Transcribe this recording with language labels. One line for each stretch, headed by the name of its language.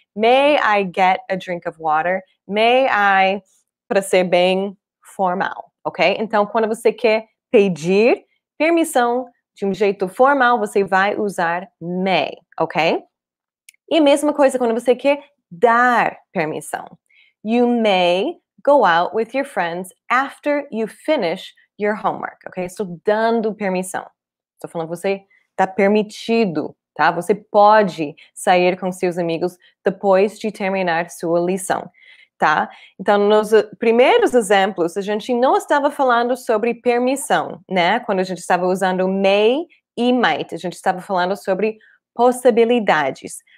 English: May I get a drink of water? May I,
Portuguese: para ser bem formal,
English: ok?
Portuguese: Então, quando você quer pedir permissão de um jeito formal, você vai usar may, ok? E a mesma coisa quando você quer dar permissão.
English: You may go out with your friends after you finish your homework, ok?
Portuguese: Estou dando permissão. Estou falando que você está permitido, tá? Você pode sair com seus amigos depois de terminar sua lição. Tá? Então, nos primeiros exemplos, a gente não estava falando sobre permissão, né? Quando a gente estava usando may e might, a gente estava falando sobre possibilidades.